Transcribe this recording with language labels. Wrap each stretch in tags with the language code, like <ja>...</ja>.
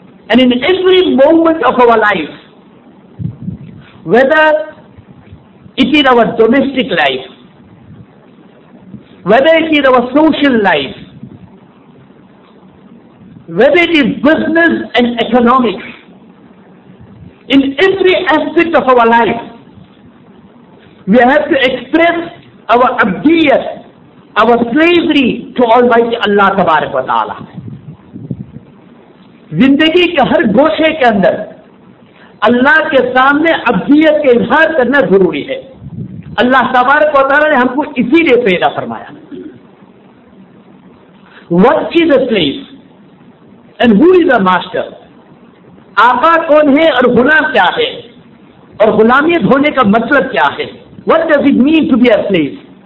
<en>And in every moment of our life, whether it is our domestic life, whether it is our social life, whether it is business and economics, in every aspect of our life, we have to express our abdiyat, our slavery to Almighty Allah tabarak wa ta'ala.</en> <ur>زندگی کے ہر گوشے کے اندر اللہ کے سامنے عبدیت کے اظہار کرنا ضروری ہے. اللہ تبارک و تعالی نے ہم کو اسی لیے پیدا فرمایا.</ur> <en>What is a slave and who is a master?</en> <ur>آقا کون ہے اور غلام کیا ہے اور غلامی ہونے کا مطلب کیا ہے؟</ur> <en>What does it mean to be a slave?</en>